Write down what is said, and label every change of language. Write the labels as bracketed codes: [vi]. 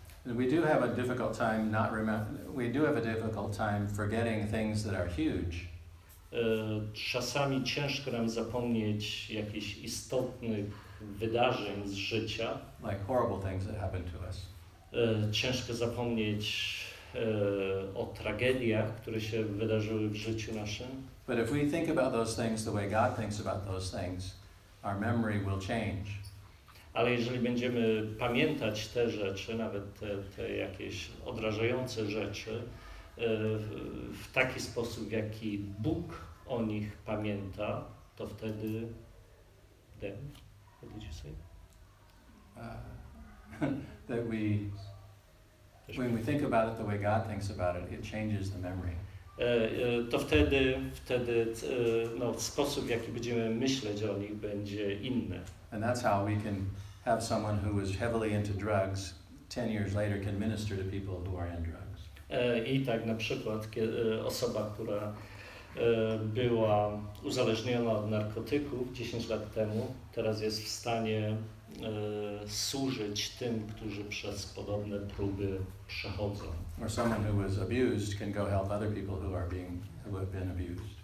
[en] We do have a difficult time not remember. We do have a difficult time forgetting things that are huge. [pl] Czasami ciężko nam zapomnieć jakichś istotnych wydarzeń z życia. [en] Like horrible things that happened to us. [pl] Ciężko zapomnieć o tragediach, które się wydarzyły w życiu naszym. [en] But if we think about those things the way God thinks about those things, our memory will change. [pl] Ale jeżeli będziemy pamiętać te rzeczy, nawet te jakieś odrażające rzeczy, w taki sposób, w jaki Bóg o nich pamięta, to wtedy... [en] Then, what did you say? That we... When we think about it the way God thinks about it, it changes the memory. [pl] To wtedy no, sposób, w jaki będziemy myśleć o nich, będzie inny. [en] And that's how we can have someone who was heavily into drugs 10 years later can minister to people who are in drugs. [pl] I tak na przykład osoba, która była uzależniona od narkotyków 10 lat temu, teraz jest w stanie służyć tym, którzy przez podobne próby przechodzą. [en] Or someone who was abused can go help other people who are being who have been abused.